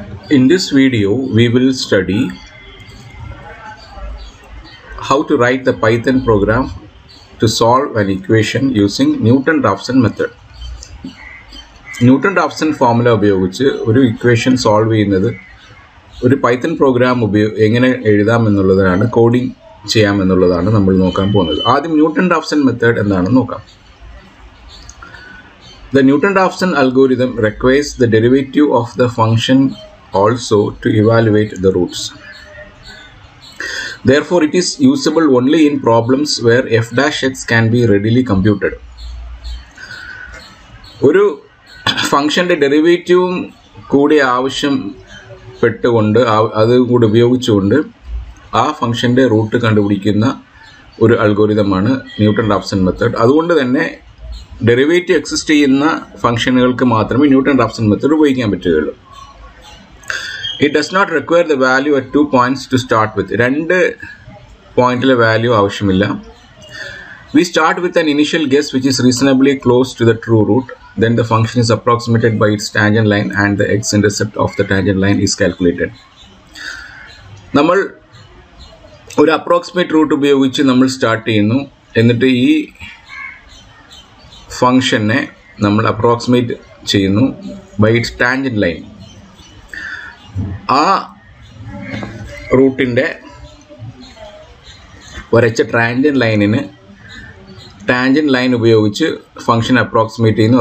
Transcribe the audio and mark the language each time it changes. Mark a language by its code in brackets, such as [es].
[en] In this video, we will study how to write the Python program to solve an equation using Newton-Raphson method. [ml] Newton-Raphson formula ഉപയോഗിച്ച് ഒരു equation solve ചെയ്യുന്നത് ഒരു Python program എങ്ങനെ എഴുതാം എന്നുള്ളതാണ് coding ചെയ്യാം എന്നുള്ളതാണ് നമ്മൾ നോക്കാൻ പോകുന്നത് ആദ്യം Newton-Raphson method എന്താണെന്ന് നോക്കാം. [en] The Newton-Raphson algorithm requires the derivative of the function also to evaluate the roots. Therefore, it is usable only in problems where f dash x can be readily computed. [ml] ഒരു ഫംഗ്ഷന്റെ ഡെറിവേറ്റീവും കൂടി ആവശ്യപ്പെട്ടുകൊണ്ട് അത് കൂടി ഉപയോഗിച്ചുകൊണ്ട് ആ ഫംഗ്ഷന്റെ റൂട്ട് കണ്ടുപിടിക്കുന്ന ഒരു അൽഗോരിതമാണ് Newton-Raphson method. അതുകൊണ്ട് തന്നെ ഡെറിവേറ്റീവ് എക്സിസ്റ്റ് ചെയ്യുന്ന ഫംഗ്ഷനുകൾക്ക് മാത്രമേ Newton-Raphson method ഉപയോഗിക്കാൻ പറ്റുകയുള്ളൂ. [en] It does not require the value at two points to start with. [ml] രണ്ട് പോയിന്റിലെ വാല്യൂ ആവശ്യമില്ല. [en] We start with an initial guess which is reasonably close to the true root. Then the function is approximated by its tangent line and the x-intercept of the tangent line is calculated. [ml] നമ്മൾ ഒരു approximate root ഉപയോഗിച്ച് നമ്മൾ start ചെയ്യുന്നു. എന്നിട്ട് ഈ ഫംഗ്ഷനെ നമ്മൾ approximate ചെയ്യുന്നു [en] By its tangent line. [ml] ആ റൂട്ടിൻ്റെ ഒരച്ച ടാൻജന്റ് ലൈനിന് ടാൻജന്റ് ലൈൻ ഉപയോഗിച്ച് ഫംഗ്ഷൻ അപ്രോക്സിമേറ്റ് ചെയ്യുന്നു.